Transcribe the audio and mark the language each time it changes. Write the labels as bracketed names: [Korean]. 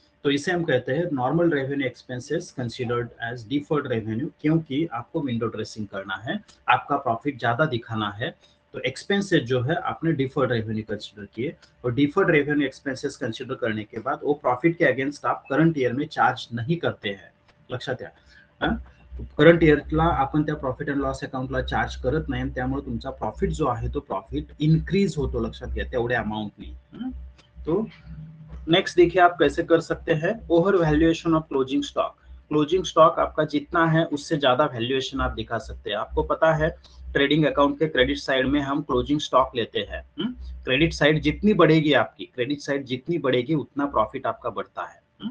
[Hindi] तो इसे हम कहते हैं normal revenue expenses considered as deferred revenue, क्योंकि आपको विंडो ड्रेसिंग करना है, आपका प्रॉफिट ज्यादा दिखाना है, तो एक्सपेंसेस जो है आपने डिफर्ड रेवेन्यू कंसिडर किए, और डिफर्ड रेवेन्यू एक्सपेंसेस कंसिडर करने के बाद वो प्रॉफिट के अगेंस्ट आप करंट ईयर में चार्ज नहीं करते हैं। [Marathi] लक्षात घ्या, करंट ईयरला आपण त्या प्रॉफिट अँड लॉस अकाउंटला चार्ज करत नाही, त्यामुळे तुमचा प्रॉफिट जो आहे तो प्रॉफिट इनक्रीज होतो, लक्षात घ्या, तेवढ्या अमाऊंटने। [Hindi] तो नेक्स्ट देखिए आप कैसे कर सकते हैं, over valuation of closing stock. Closing stock आपका जितना है उससे ज्यादा वैल्यूएशन आप दिखा सकते हैं। आपको पता है ट्रेडिंग अकाउंट के क्रेडिट साइड में हम क्लोजिंग स्टॉक लेते हैं, क्रेडिट साइड जितनी बढ़ेगी आपकी, क्रेडिट साइड जितनी बढ़ेगी उतना प्रॉफिट आपका बढ़ता है।